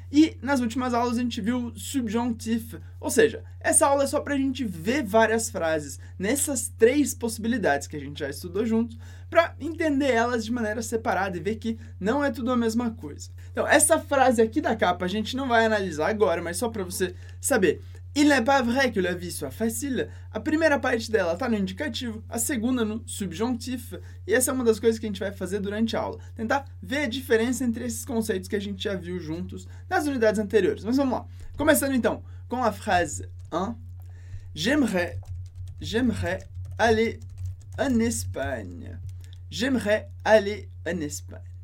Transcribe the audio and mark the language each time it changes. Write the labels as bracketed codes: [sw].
[pt] E nas últimas aulas a gente viu subjonctif. Ou seja, essa aula é só para a gente ver várias frases nessas três possibilidades que a gente já estudou juntos, para entender elas de maneira separada e ver que não é tudo a mesma coisa. Então, essa frase aqui da capa a gente não vai analisar agora, mas só para você saber. [fr] Il n'est pas vrai que la vie soit facile. [pt] A primeira parte dela está no indicativo, a segunda no subjonctif. E essa é uma das coisas que a gente vai fazer durante a aula. Tentar ver a diferença entre esses conceitos que a gente já viu juntos nas unidades anteriores. Mas vamos lá. Começando então com a frase 1. [fr] J'aimerais aller en Espagne. J'aimerais aller en Espagne.